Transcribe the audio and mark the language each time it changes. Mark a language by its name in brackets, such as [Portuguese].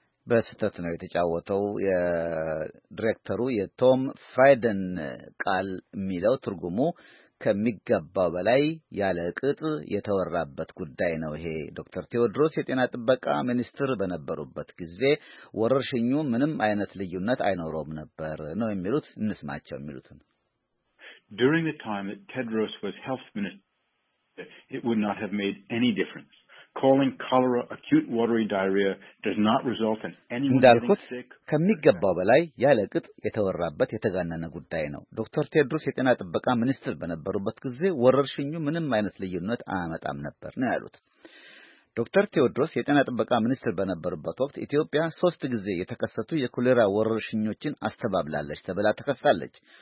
[Amharic] በስተት ነው የተጫወተው። የዳይሬክተሩ የቶም ፍራይደን ቃል የሚለው ትርጉሙ ከሚገባው በላይ ያለ ቅጥ የተወራበት ጉዳይ ነው። ይሄ ዶክተር ቴዎድሮስ የጤና ጥበቃ ሚኒስትር በነበሩበት ጊዜ ወረርሽኙ ምንም አይነት ልዩነት አይኖረውም ነበር ነው የሚሉት። እንስማቸው የሚሉትን። [English] During the time that Tedros was health minister, it would not have made any difference. Calling cholera acute watery diarrhea does not result in anyone getting sick. [Amharic] ከሚገባው በላይ ያለ ቅጥ የተወራበት የተጋነነ ጉዳይ ነው። ዶክተር ቴድሮስ የጤና ጥበቃ ሚኒስትር በነበሩበት ጊዜ ወረርሽኙ ምንም አይነት ልዩነት አያመጣም ነበር ነው ያሉት። ዶክተር ቴዎድሮስ የጤና ጥበቃ ሚኒስትር በነበሩበት ወቅት ኢትዮጵያ 3 ጊዜ የተከሰቱ የኮሌራ ወረርሽኞችን አስተባብላለች ተብላ ተከሳለች።